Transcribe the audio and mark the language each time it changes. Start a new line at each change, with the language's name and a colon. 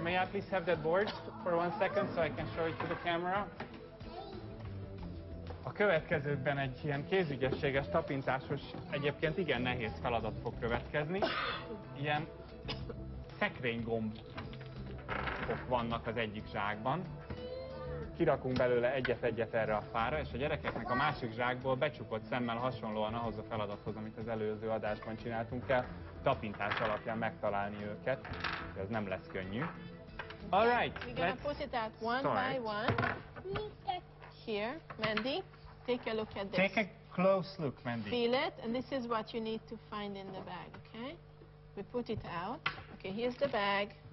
English: May I please have that board for 1 second so I can show it to the camera?
Hungarian: A következőkben egy ilyen kézügyességes, tapintásos, egyébként igen nehéz feladat fog következni. Ilyen szekrénygombok vannak az egyik zsákban. Kirakunk belőle egyet-egyet erre a fára, és a gyerekeknek a másik zsákból becsukott szemmel hasonlóan ahhoz a feladathoz, amit az előző adásban csináltunk el, tapintás alapján megtalálni őket, de ez nem lesz könnyű.
English: All right, we're gonna put it out one by one. Here, Mandy, take a look at this. Take a close look, Mandy. Feel it, and this is what you need to find in the bag, okay? We put it out. Okay, here's the bag.